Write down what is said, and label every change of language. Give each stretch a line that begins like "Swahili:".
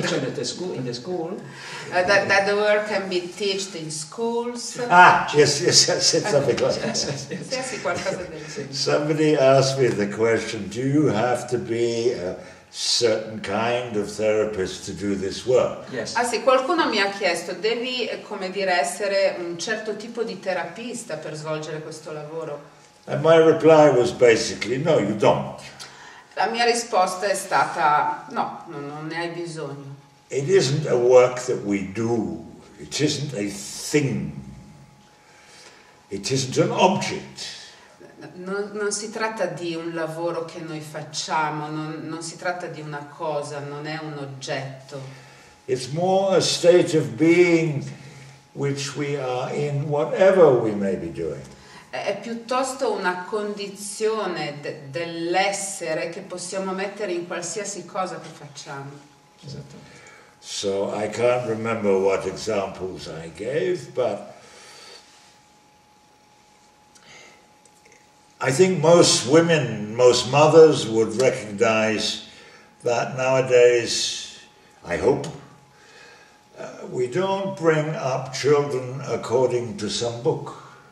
English: Teacher at the school, in the school. That the work can be taught in schools. Ah, yes, I said something like that. Somebody asked me the question, do you have to be a certain kind of therapist to do this work? Yes.
Italian: Ah sì, qualcuno mi ha chiesto, devi, come dire, essere un certo tipo di terapista per svolgere questo lavoro?
English: And my reply was basically, no, you don't.
Italian: La mia risposta è stata no, non ne hai bisogno.
English: It isn't a work that we do. It isn't a thing. It isn't an object.
Italian: Non si tratta di un lavoro che noi facciamo, non si tratta di una cosa, non è un oggetto.
English: It's more a state of being which we are in whatever we may be doing.
Italian: È piuttosto una condizione dell'essere che possiamo mettere in qualsiasi cosa che facciamo. Esatto.
English: So I can't remember what examples I gave, but I think most women, most mothers would recognize that nowadays, I hope, we don't bring up children according to some book.